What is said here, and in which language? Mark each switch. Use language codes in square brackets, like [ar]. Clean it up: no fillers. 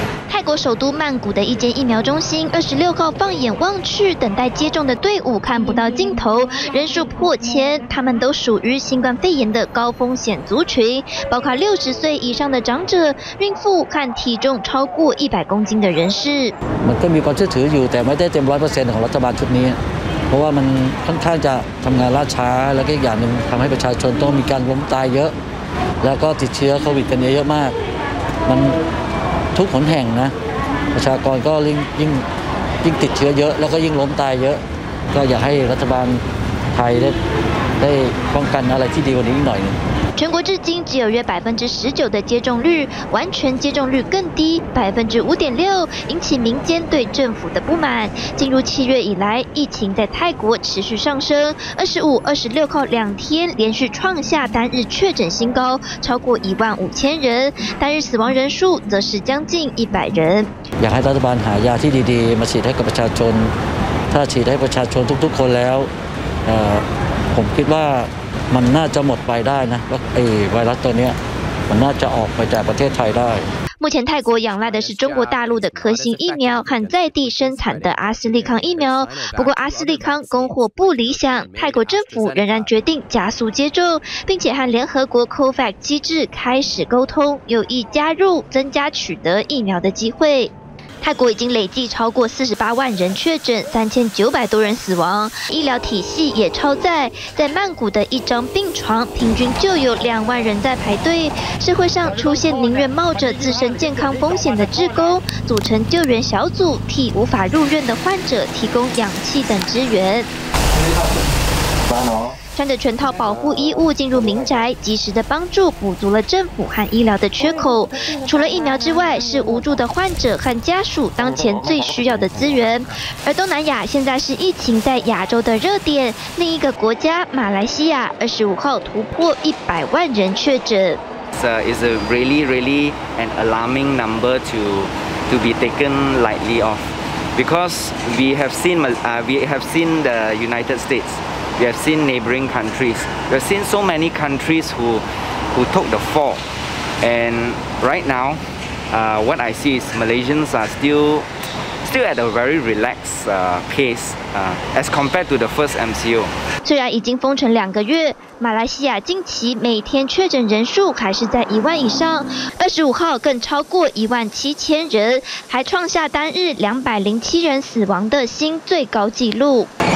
[zh] 泰国首都曼谷的一间疫苗中心，26号放眼望去，等待接种的队伍看不到尽头，人数破千，他们都属于新冠肺炎的高风险族群，包括60岁以上的长者、孕妇和体重超过100公斤的人士。 [th] มันก็มีความเชื่อถืออยู่แต่ไม่ได้เต็ม100%ของรัฐบาลชุดนี้เพราะว่ามันค่อนข้างจะทำงานล่าช้าและก็อีกอย่างหนึ่งทำให้ประชาชนต้องมีการล้มตายเยอะแล้วก็ติดเชื้อโควิดกันเยอะมากมันทุกขนแห่งนะประชากรก็ยิ่งติดเชื้อเยอะแล้วก็ยิ่งล้มตายเยอะก็อยากให้รัฐบาลไทยได้ป้องกันอะไรที่ดีกว่านี้อีกหน่อยนึง [zh] 全国至今只有约19%的接种率，完全接种率更低5.6%，引起民间对政府的不满。进入7月以来，疫情在泰国持续上升，25、26号两天连续创下单日确诊新高，超过15000人，单日死亡人数则是将近100人。 [th] อยากให้รัฐบาลหายาที่ดีๆมาฉีดให้กับประชาชนถ้าฉีดให้ประชาชนทุกๆคนแล้วผมคิดว่ามันน่าจะหมดไปได้นะว่าไอ้ไวรัสตัวนี้มันน่าจะออกไปจากประเทศไทยได้ [zh] 目前泰国仰赖的是中国大陆的科兴疫苗和在地生产的阿斯利康疫苗，不过阿斯利康供货不理想，泰国政府仍然决定加速接种，并且和联合国 COVAX 机制开始沟通，有意加入增加取得疫苗的机会。泰国已经累计超过48万人确诊，3900多人死亡，医疗体系也超载。在曼谷的一张病床，平均就有20000人在排队。社会上出现宁愿冒着自身健康风险的志工，组成救援小组，替无法入院的患者提供氧气等支援。穿着全套保护衣物进入民宅，及时的帮助补足了政府和医疗的缺口。除了疫苗之外，是无助的患者和家属当前最需要的资源。而东南亚现在是疫情在亚洲的热点，另一个国家马来西亚25号突破100万人确诊。 [en] It's a really, really an alarming number to be taken lightly off, because we have seen the United States. We have seen neighboring countries. We have seen so many countries who took the fall. And right now, what I see is Malaysians are still at a very relaxed pace as compared to the first MCO. [zh] 虽然已经封城2个月，马来西亚近期每天确诊人数还是在10000以上，25号更超过17000人，还创下单日207人死亡的新最高纪录。